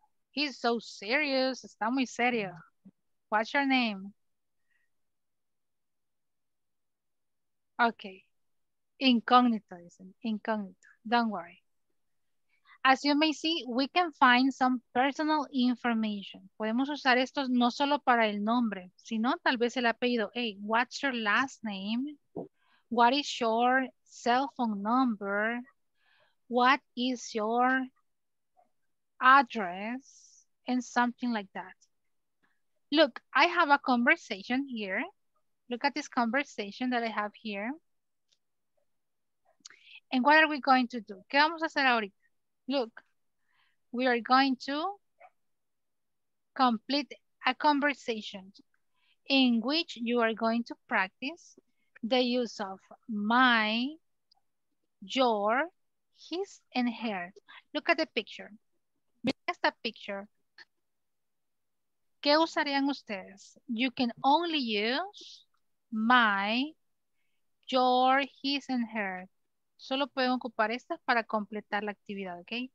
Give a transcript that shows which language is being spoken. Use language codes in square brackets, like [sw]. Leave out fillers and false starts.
[en] He's so serious. [es] Está muy serio. [en] What's your name? Okay. Incognito, isn't it? Incognito. Don't worry. As you may see, we can find some personal information. [es] Podemos usar estos no solo para el nombre, sino tal vez el apellido. [en] Hey, what's your last name? What is your cell phone number? What is your address? And something like that. Look, I have a conversation here. Look at this conversation that I have here. And what are we going to do? [es] ¿Qué vamos a hacer ahorita? [en] Look, we are going to complete a conversation in which you are going to practice the use of my, your, his, and her. Look at the picture. Look at the picture. [es] ¿Qué usarían ustedes? [en] You can only use my, your, his, and her. [es] Solo pueden ocupar estas para completar la actividad, ¿ok?